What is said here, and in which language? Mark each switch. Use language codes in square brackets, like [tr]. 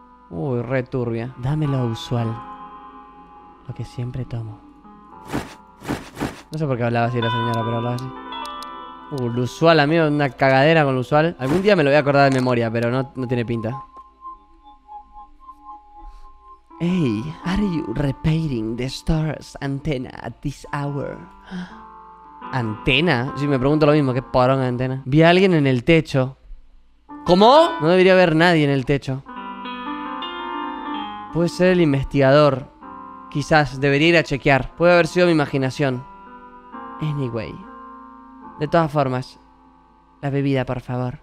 [es] Uy, re turbia. Dame lo usual. Lo que siempre tomo. No sé por qué hablaba así la señora, pero hablaba así. Lo usual, amigo. Una cagadera con lo usual. Algún día me lo voy a acordar de memoria, pero no tiene pinta. [en] Hey, are you repairing the store's antenna at this hour? [es] ¿Antena? Sí, me pregunto lo mismo. ¿Qué porón antena? Vi a alguien en el techo. ¿Cómo? No debería haber nadie en el techo. Puede ser el investigador. Quizás debería ir a chequear. Puede haber sido mi imaginación. Anyway. De todas formas, la bebida, por favor.